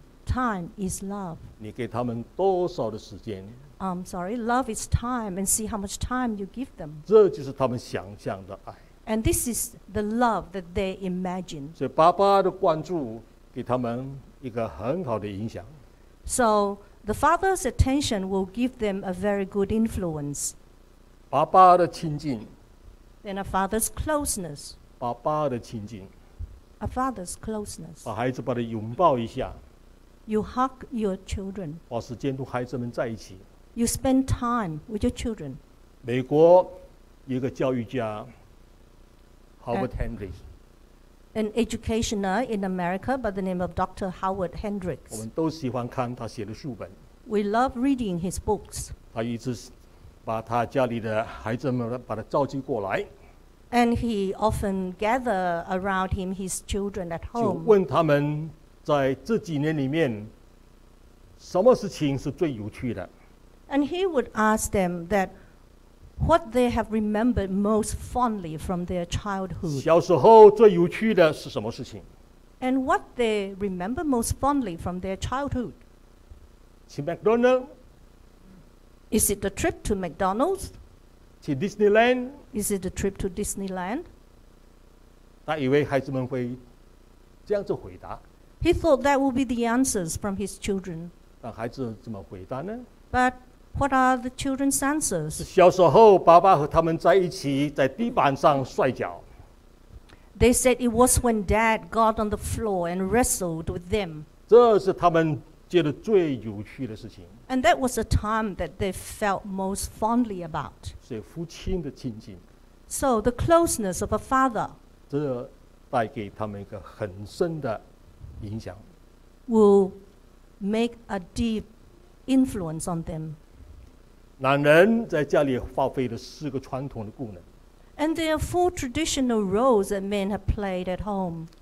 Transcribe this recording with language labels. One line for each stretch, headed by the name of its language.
English: Time is love.
Chinese: 你给他们多少的时间？
English: I'm sorry, love is time, and see how much time you give them.
Chinese: 这就是他们想象的爱。
English: And this is the love that they imagine.
Chinese: 所以爸爸的关注给他们一个很好的影响。
English: So the father's attention will give them a very good influence.
Chinese: 爸爸的亲近。
English: Then a father's closeness.
Chinese: 爸爸的亲近。
English: A father's closeness.
Chinese: 把孩子把他拥抱一下。
English: You hug your children.
Chinese: 把时间和孩子们在一起。
English: You spend time with your children.
Chinese: 美国有一个教育家 Howard Hendricks.
English: An educationer in America by the name of Dr. Howard Hendricks.
Chinese: 我们都喜欢看他写的书本。
English: We love reading his books.
Chinese: 他一直把他家里的孩子们把他召集过来。
English: And he often gather around him his children at home.
Chinese: 就问他们。在这几年里面，什么事情是最有趣的？
English: And he would ask them that What they have remembered most fondly from their childhood.
Chinese: 小时候最有趣的是什么事情？
English: And what they remember most fondly from their childhood.
Chinese: 去 McDonald's.
English: Is it the trip to McDonald's?
Chinese: 去 Disneyland.
English: Is it the trip to Disneyland?
Chinese: 他以为孩子们会这样子回答。
English: He thought that would be the answers from his children.
Chinese: 但孩子怎么回答呢？
English: But what are the children's answers?
Chinese: 小时候爸爸和他们在一起在地板上摔跤。
English: They said it was when dad got on the floor and wrestled with them.
Chinese: 这是他们觉得最有趣的事情。
English: And that was a time that they felt most fondly about.
Chinese: 是父亲的亲近。
English: So the closeness of a father.
Chinese: 这带给他们一个很深的影响。
English: Will make a deep influence on them.
Chinese: 男人在家里发挥了四个传统的功能。
English: And there are four traditional roles that men have played at home.